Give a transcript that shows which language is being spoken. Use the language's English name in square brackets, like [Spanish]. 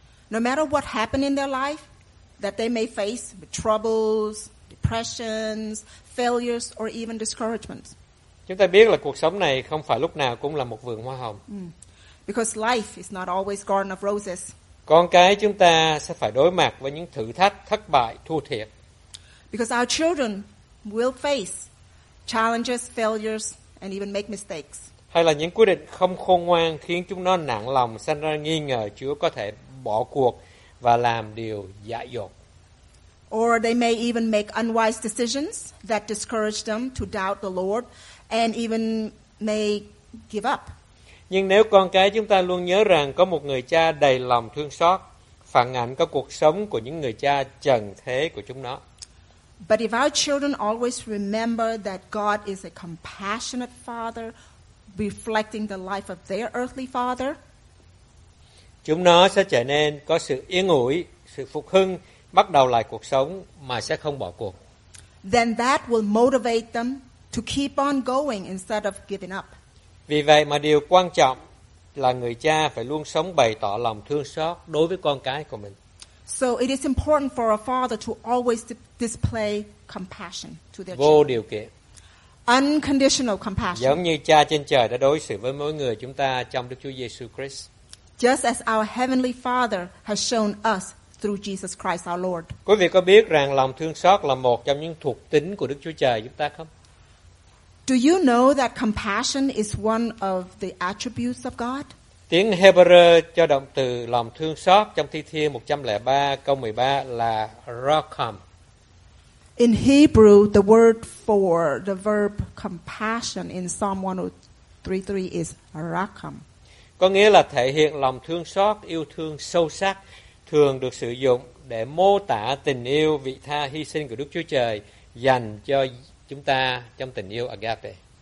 [English] No matter what happened in their life that they may face, troubles, depressions, failures or even discouragements. [Vietnamese] Chúng ta biết là cuộc sống này không phải lúc nào cũng là một vườn hoa hồng. [English] Because life is not always garden of roses. [Vietnamese] Con cái chúng ta sẽ phải đối mặt với những thử thách, thất bại, thua thiệt. [English] Because our children will face challenges, failures and even make mistakes. [Vietnamese] Hay là những quyết định không khôn ngoan khiến chúng nó nặng lòng, sanh ra nghi ngờ Chúa có thể bỏ cuộc và làm điều dại dột. [English] Or they may even make unwise decisions that discourage them to doubt the Lord and even may give up. [Vietnamese] Nhưng nếu con cái chúng ta luôn nhớ rằng có một người cha đầy lòng thương xót, phản ảnh có cuộc sống của những người cha trần thế của chúng nó. [English] But if our children always remember that God is a compassionate father, reflecting the life of their earthly father, [Vietnamese] chúng nó sẽ trở nên có sự yên ủi, sự phục hưng, bắt đầu lại cuộc sống mà sẽ không bỏ cuộc. [English] Then that will motivate them to keep on going instead of giving up. [Vietnamese] Vì vậy mà điều quan trọng là người cha phải luôn sống bày tỏ lòng thương xót đối với con cái của mình. [English] So it is important for a father to always display compassion to their [Vietnamese] vô [English] children. [Vietnamese] Vô điều kiện. [English] Unconditional compassion. [Vietnamese] Giống như cha trên trời đã đối xử với mỗi người chúng ta trong Đức Chúa Giêsu Christ. [English] Just as our heavenly Father has shown us through Jesus Christ our Lord. [Vietnamese] Quý vị có biết rằng lòng thương xót là một trong những thuộc tính của Đức Chúa Trời chúng ta không? [English] Do you know that compassion is one of the attributes of God? [Vietnamese] Tiếng Hebrew cho động từ lòng thương xót trong Thi Thiên 103 câu 13 là rakham. [English] In Hebrew, the word for the verb compassion in Psalm 103:3 is rakham. [Vietnamese] Có nghĩa là thể hiện lòng thương xót, yêu thương sâu sắc, thường được sử dụng để mô tả tình yêu vị tha hy sinh của Đức Chúa Trời dành cho chúng ta trong tình yêu agape.